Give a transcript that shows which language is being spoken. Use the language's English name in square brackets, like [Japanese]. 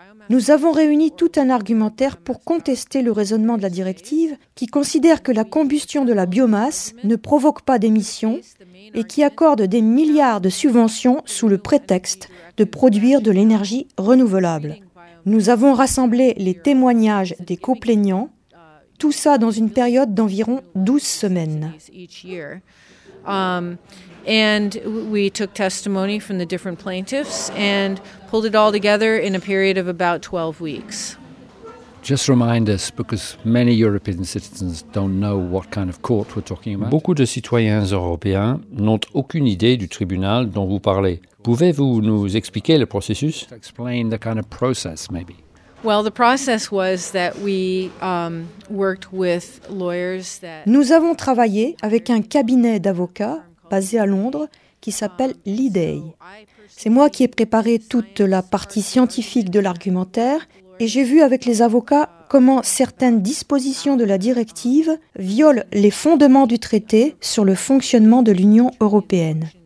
[French] Nous avons réuni tout un argumentaire pour contester le raisonnement de la directive qui considère que la combustion de la biomasse ne provoque pas d'émissions et qui accorde des milliards de subventions sous le prétexte de produire de l'énergie renouvelable. Nous avons rassemblé les témoignages des co-plaignants, tout ça dans une période d'environ 12 semaines. [English] And we took testimony from the different plaintiffs and pulled it all together in a period of about 12 weeks. Just remind us, because many European citizens don't know what kind of court we're talking about. [French] Beaucoup de citoyens européens n'ont aucune idée du tribunal dont vous parlez. Pouvez-vous nous expliquer le processus? [English] Explain the kind of process, maybe. Well, the process was that we worked with lawyers that... [French] Nous avons travaillé avec un cabinet d'avocats basé à Londres, qui s'appelle LIDEI. C'est moi qui ai préparé toute la partie scientifique de l'argumentaire et j'ai vu avec les avocats comment certaines dispositions de la directive violent les fondements du traité sur le fonctionnement de l'Union européenne.